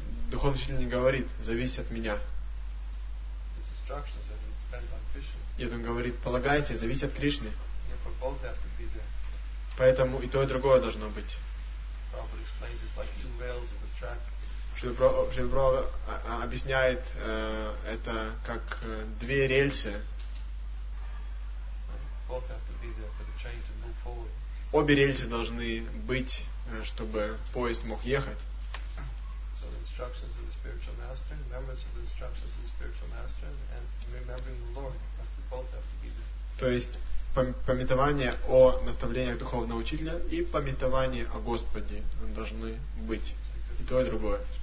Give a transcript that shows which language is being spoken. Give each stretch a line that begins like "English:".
Russian: духовный учитель не говорит, зависит от меня.
English: His instructions are dependent on Krishna.
Russian: Нет, он говорит, полагайся, зависит от Кришны.
English: Therefore, both have to be there.
Russian: Поэтому и то, и другое должно быть.
English: Prabhupada explains it's like two rails of a track.
Russian: Шрила Прабхупада объясняет это как две рельсы.
English: Both have to be there for the train to move forward.
Russian: Обе рельсы должны быть, чтобы поезд мог ехать.
English: So the instructions of the spiritual master, remembrance of the instructions of the spiritual master, and remembering the Lord, both have to be there.
Russian: То есть памятование о наставлениях духовного учителя и памятование о Господе должны быть. И то, и другое.